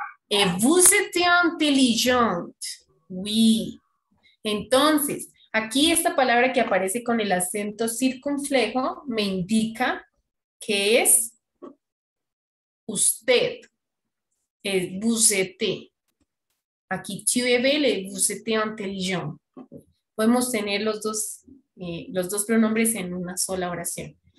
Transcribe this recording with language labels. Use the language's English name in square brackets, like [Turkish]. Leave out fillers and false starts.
[French] Et vous êtes intelligente. Oui. Entonces, [Spanish] Aquí esta palabra que aparece con el acento circunflejo me indica que es usted, es [French] vous êtes. [Spanish] Aquí [French] tu es belle, vous êtes intelligent. [Spanish] Podemos tener los dos pronombres en una sola oración.